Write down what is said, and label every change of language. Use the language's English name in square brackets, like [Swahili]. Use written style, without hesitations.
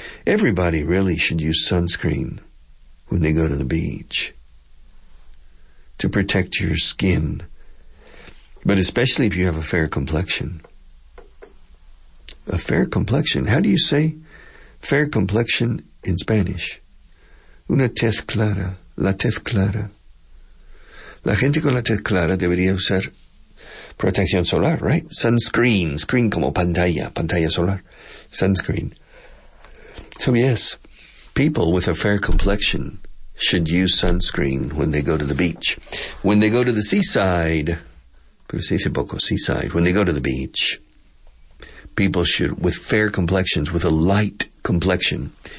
[English] Everybody really should use sunscreen when they go to the beach to protect your skin, but especially if you have a fair complexion. A fair complexion. How do you say fair complexion in Spanish? [Spanish] Una tez clara. La tez clara. La gente con la tez clara debería usar protección solar, right? Sunscreen. Screen como pantalla. Pantalla solar. Sunscreen. [English] So yes, people with a fair complexion should use sunscreen when they go to the beach. When they go to the seaside. [Spanish] Pero se dice poco, [English] seaside. When they go to the beach. People should, with fair complexions, with a light complexion.